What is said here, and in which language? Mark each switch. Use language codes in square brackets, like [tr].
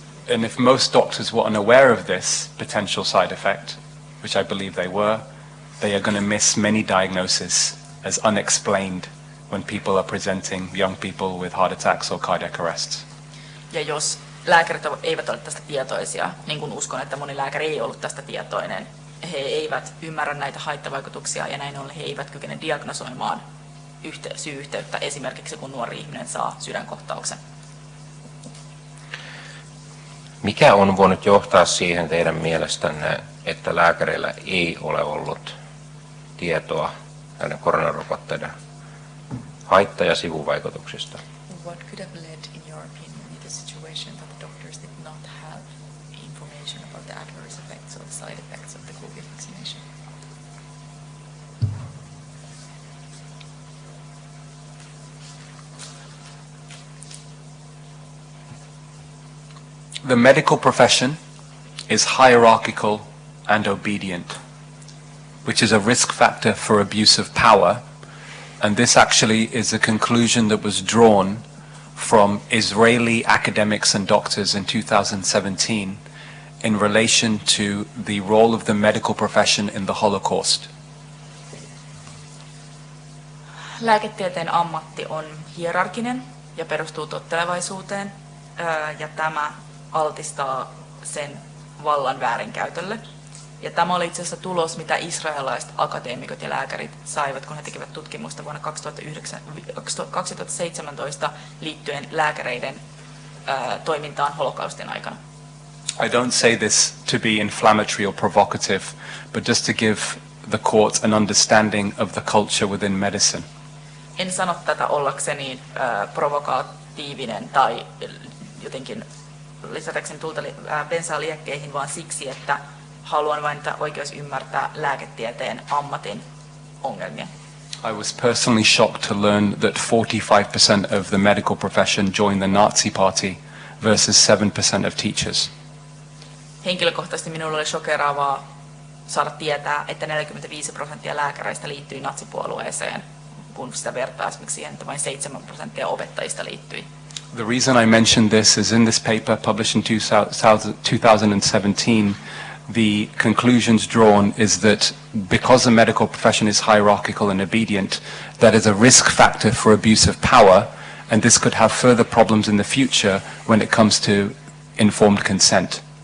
[en] And if most doctors were unaware of this potential side effect, which I believe they were, they are going to miss many diagnoses as unexplained when people are presenting, young people with heart attacks or cardiac arrests. [fi] Ja jos lääkärit eivät ole tästä tietoisia, niin kuin uskon, että moni lääkäri ei ollut tästä tietoinen, he eivät ymmärrä näitä haittavaikutuksia ja näin ollen he eivät kykene diagnosoimaan syy-yhteyttä esimerkiksi kun nuori ihminen saa sydänkohtauksen. Mikä on voinut johtaa siihen teidän mielestänne, että lääkäreillä ei ole ollut tietoa näiden koronarokotteiden haitta- ja sivuvaikutuksista? [en] What could have led in your opinion in the situation that the doctors did not have information about the adverse effects or the side effects of the COVID vaccination? The medical profession is hierarchical and obedient, which is a risk factor for abuse of power, and this actually is a conclusion that was drawn from Israeli academics and doctors in 2017 in relation to the role of the medical profession in the Holocaust. [fi] Lääketieteen ammatti on hierarkinen ja perustuu tottelevaisuuteen, ja tämä altistaa sen vallan väärinkäytölle. Ja tämä oli itse asiassa tulos, mitä israelilaiset akateemikot ja lääkärit saivat, kun he tekivät tutkimusta vuonna 2017 liittyen lääkäreiden toimintaan holokaustin aikana. [en] I don't say this to be inflammatory or provocative, but just to give the court an understanding of the culture within medicine. [fi] En sano tätä ollakseni provokatiivinen tai jotenkin lisätäkseni tulta bensaa liekkeihin, vaan siksi, että haluan vain, että oikeus ymmärtää lääketieteen ammatin ongelmia. [en] I was personally shocked to learn that 45% of the medical profession joined the Nazi party versus 7% of teachers. [fi] Henkilökohtaisesti minulle oli shokeraavaa saada tietää, että 45% lääkäreistä liittyi natsipuolueeseen, kun sitä vertaa esimerkiksi siihen, että vain 7% opettajista liittyi. [en] The reason I mention this is in this paper published in 2017, the conclusions drawn is that because the medical profession is hierarchical and obedient, that is a risk factor for abuse of power, and this could have further problems in the future when it comes to informed consent.